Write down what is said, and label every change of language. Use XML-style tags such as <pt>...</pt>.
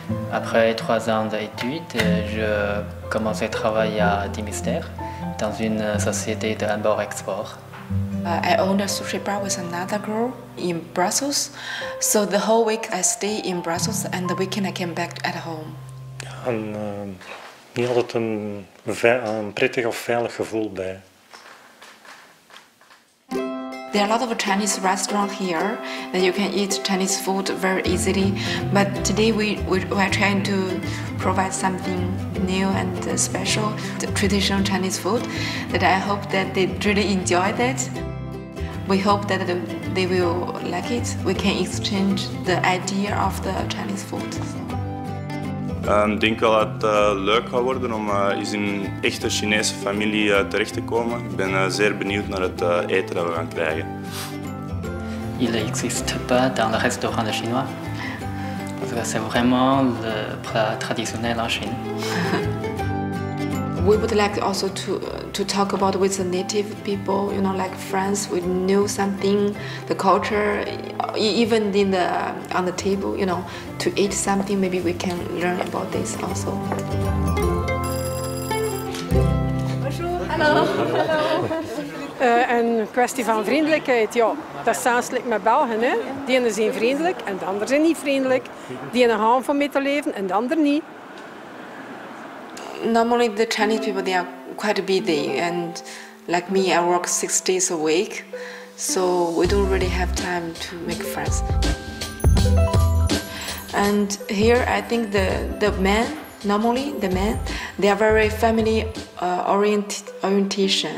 <fr>Après 3 ans d'études, je commence à travailler à Dimister dans une société de import-export.</fr> <en>I own a sushi bar with another girl in Brussels. So the whole week I stay in Brussels and the weekend I came back at home.</en> <nl>En niet altijd een prettig of veilig gevoel bij.</nl> <en>There are a lot of Chinese restaurants here that you can eat Chinese food very easily. But today we are trying to provide something new and special, the traditional Chinese food, that I hope that they really enjoy that. We hope that they will like it. We can exchange the idea of the Chinese food.</en> <nl>Ik denk wel dat het leuk zou worden om eens in een echte Chinese familie terecht te komen. Ik ben zeer benieuwd naar het eten dat we gaan krijgen.</nl> <fr>Il existe pas dans le restaurant de Chinois. Parce que c'est vraiment le plat traditionnel en Chine.</fr> <en>We would like also to talk about with the native people, you know, like friends. We knew something, the culture, even in the on the table, you know, to eat something. Maybe we can learn about this also.</en> <nl>Een kwestie van vriendelijkheid, ja. Dat is zoals like met Belgen, hè. Die ene zijn vriendelijk en de andere zijn niet vriendelijk. Die ene gaan van mee te leven en de andere niet.</nl> <en>Normally the Chinese people, they are quite busy, and like me, I work 6 days a week, so we don't really have time to make friends. And here I think the men, normally the men, they are very family orientation.</en>